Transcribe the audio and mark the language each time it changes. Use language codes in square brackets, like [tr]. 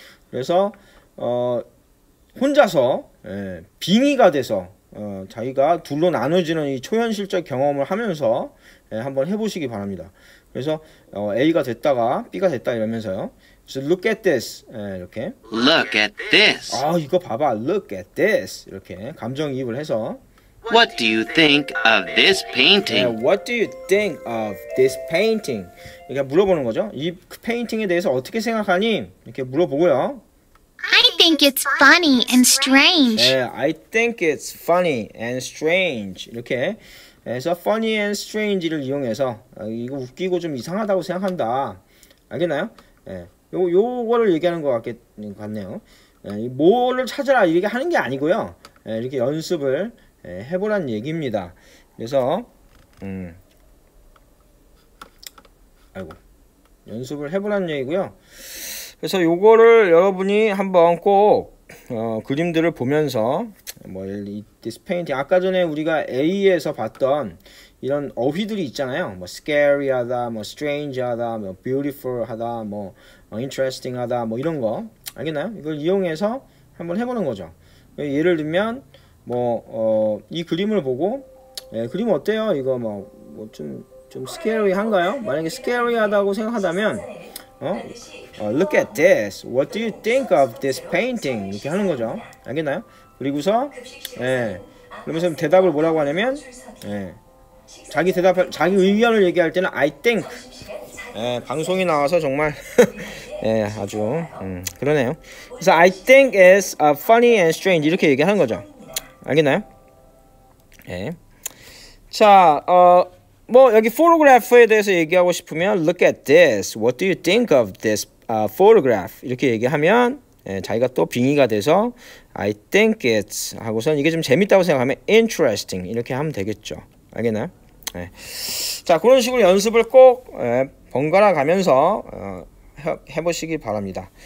[ko] 그래서 혼자서 예, 빙의가 돼서 자기가 둘로 나누지는 이 초현실적 경험을 하면서 예, 한번 해보시기 바랍니다. 그래서 A가 됐다가 B가 됐다 이러면서요. [en] So look at this. [ko] 예, 이렇게. [en] Look at this. [ko] 아 이거 봐봐. [en] Look at this. [ko] 이렇게 감정이입을 해서. [en] What do you think of this painting? 예, what do you think of this painting? [ko] 이렇게 물어보는 거죠. 이 페인팅에 대해서 어떻게 생각하니? 이렇게 물어보고요. [en] I think it's funny and strange. 예, I think it's funny and strange. [ko] 이렇게 해서 [en] funny and strange [ko] 를 이용해서 이거 웃기고 좀 이상하다고 생각한다. 알겠나요? 예, 요거를 얘기하는 것 같네요. 예, 뭐를 찾아라 이렇게 하는 게 아니고요. 예, 이렇게 연습을 예, 해보란 얘기입니다. 그래서 아이고 연습을 해보란 얘기고요. 그래서 요거를 여러분이 한번 꼭 그림들을 보면서 뭐 [en] this painting [ko] 아까 전에 우리가 A에서 봤던 이런 어휘들이 있잖아요. 뭐 scary하다, 뭐 strange하다, 뭐 beautiful하다, 뭐 interesting하다, 뭐 이런 거 알겠나요? 이걸 이용해서 한번 해보는 거죠. 예를 들면 뭐 이 그림을 보고 예, 그림 어때요? 이거 뭐 좀 scary한가요? 만약에 scary하다고 생각하다면 [en] look at this. What do you think of this painting? [ko] 이렇게 하는 거죠. 알겠나요? 그리고서 예. 그러면서 대답을 뭐라고 하냐면 예. 자기 대답 자기 의견을 얘기할 때는 [en] I think. [ko] 예, 방송이 나와서 정말 예, 아주 그러네요. 그래서 [en] I think it's funny and strange [ko] 이렇게 얘기하는 거죠. 알겠나요? 예. 자, 뭐 여기 photograph에 대해서 얘기하고 싶으면 [en] look at this. What do you think of this photograph? [ko] 이렇게 얘기하면 예, 자기가 또 빙의가 돼서 [en] I think it's [ko] 하고선 이게 좀 재밌다고 생각하면 interesting 이렇게 하면 되겠죠. 알겠나요? 예. 자, 그런 식으로 연습을 꼭 예, 번갈아 가면서 해보시기 바랍니다.